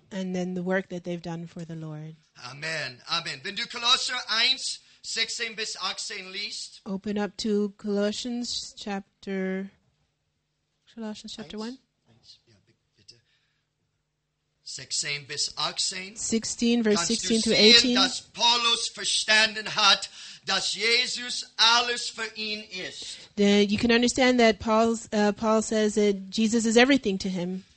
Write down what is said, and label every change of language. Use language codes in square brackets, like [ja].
[en] And then the work that they've done for the Lord. Amen, amen. [de] Wenn du Kolosser 1, 16 bis 18 liest. [en] Open up to Colossians chapter 1. [de] Eins, ja, bitte. 16 bis 18. [en] 16, verse 16 to 18. [de] Kannst du sehen, dass Paulus verstanden hat, dass Jesus alles für ihn ist. [en] You can understand that Paul says that Jesus is everything to him.